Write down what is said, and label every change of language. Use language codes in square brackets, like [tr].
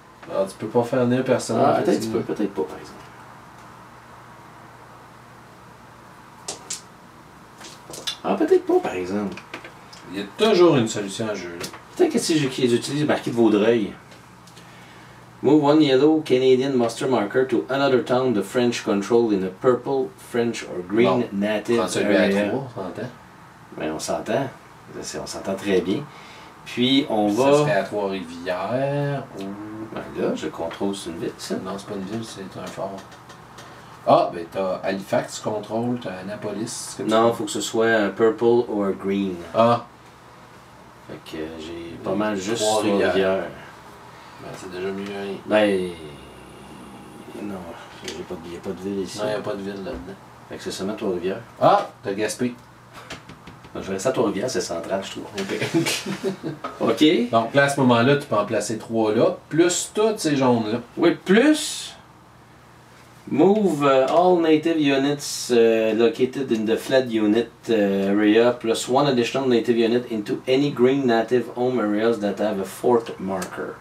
[fr] Alors, tu peux pas faire venir personne. Ah, peut-être tu peux, peut-être pas, par exemple. Ah, peut-être pas, par exemple. Il y a toujours une solution à jeu. Peut-être que si j'utilise le marquis de Vaudreuil. [en] Move one yellow Canadian muster marker to another town the French control in a purple, French or green bon. Native [fr] prends celui area. À trois, on s'entend. Ben, on s'entend. On s'entend très bien. Puis on ça va. Ça serait à Trois-Rivières ou. Ben là, je contrôle, c'est une ville, ça. Non, c'est pas une ville, c'est un fort. Ah, ben t'as Halifax, tu contrôles, t'as Annapolis. Non, faut que ce soit un purple ou un green. Ah. Fait que j'ai pas mal juste Trois-Rivières. Ben c'est déjà mieux. Hein. Ben. Non, y'a pas de ville ici. Non, y'a pas de ville là-dedans. Fait que c'est seulement Trois-Rivières. Ah, t'as Gaspé. Je vais rester à Trois-Rivières, c'est central, je trouve. OK. OK. Donc, là, à ce moment-là, tu peux en placer trois là, plus toutes ces jaunes-là. Oui, plus... [en] Move all native units located in the flat unit area plus one additional native unit into any green native home areas that have a fourth marker.